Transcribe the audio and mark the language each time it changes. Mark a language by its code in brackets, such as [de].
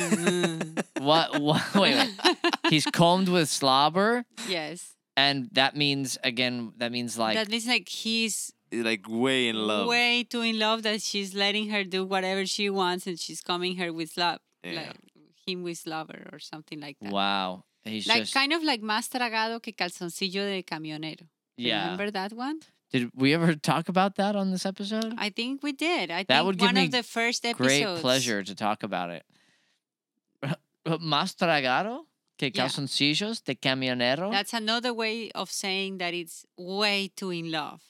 [en] Wait. He's combed with slobber? Yes. And that means, again, That means like he's... Like way in love. Way too in love that she's letting her do whatever she wants and she's combing her with slobber. Yeah. Like him with slobber or something like that. Wow. Kind of like [es] más tragado que calzoncillo de camionero. [en] Yeah. Remember that one? Did we ever talk about that on this episode? I think we did. That would give me great pleasure to talk about it. [es] Más tragado que calzoncillos de camionero. [en] That's another way of saying that it's way too in love.